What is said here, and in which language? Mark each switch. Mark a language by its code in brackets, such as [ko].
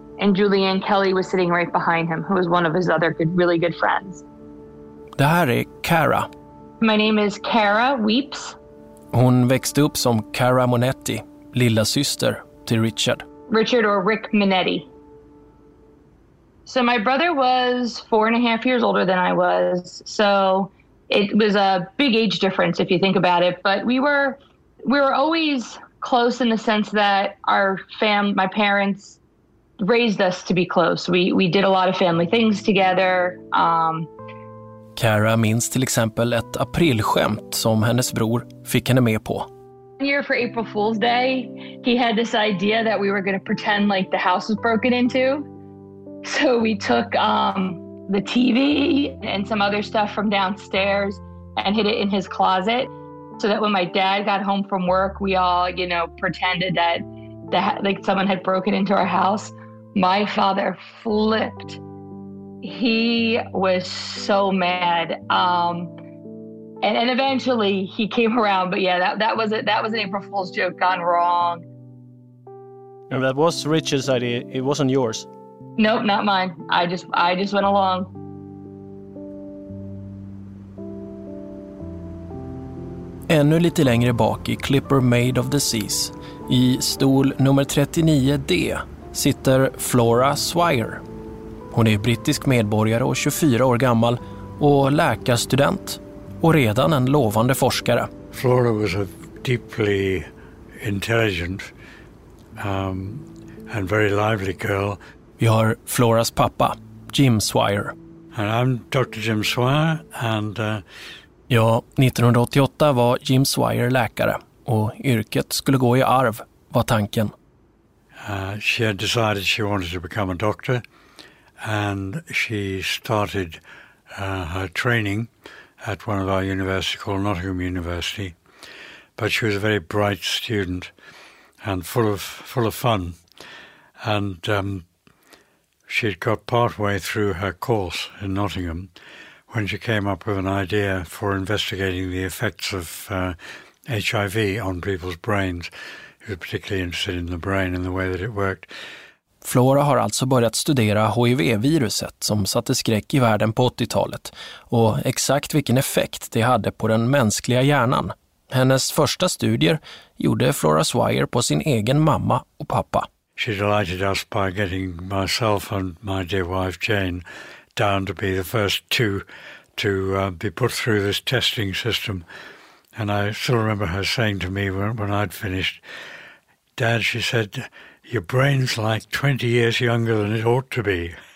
[en] And Julianne Kelly was sitting right behind him, who was one of his other good, really good friends. [sv] Det här är Kara. [en] My name is Kara Weeps. [sv] Hon växte upp som Kara Monetti, lilla syster till Richard. [en] Richard or Rick Minetti. So my brother was 4.5 years older than I was. So it was a big age difference if you think about it. But we were always close in the sense that my parents raised us to be close. We did a lot of family things together. [sv] Kara minns till exempel ett aprilskämt som hennes bror fick henne med på. [en] One year for April Fool's Day, he had this idea that we were going to pretend like the house was broken into. So we took the TV and some other stuff from downstairs and hid it in his closet so that when my dad got home from work, we all, you know, pretended that like someone had broken into our house. My father flipped. He was so mad. And eventually he came around, but yeah, that was an April Fool's joke gone wrong. And that was Richard's idea. It wasn't yours. Nope, not mine. I just went along. [sv] Och Ännu lite längre bak i Clipper Made of the Seas, i stol nummer 39D, sitter Flora Swire. Hon är brittisk medborgare och 24 år gammal och läkarstudent och redan en lovande forskare. [en] Flora was a deeply intelligent and very lively girl. [sv] Vi har Floras pappa, Jim Swire. [en] And I'm Dr. Jim Swire and... [sv] Ja, 1988 var Jim Swire läkare och yrket skulle gå i arv, var tanken. [en] She had decided she wanted to become a doctor and she started her training at one of our universities called Nottingham University. But she was a very bright student and full of fun. And she had got partway through her course in Nottingham when she came up with an idea for investigating the effects of HIV on people's brains. She was particularly interested in the brain and the way that it worked. [sv] Flora har alltså börjat studera HIV-viruset som satte skräck i världen på 80-talet och exakt vilken effekt det hade på den mänskliga hjärnan. Hennes första studier gjorde Flora Swire på sin egen mamma och pappa. [en] She delighted us by getting myself and my dear wife Jane down to be the first two to be put through this testing system. And I still remember her saying to me when I'd finished, "Dad," she said, "your brain's like 20 years younger than it ought to be."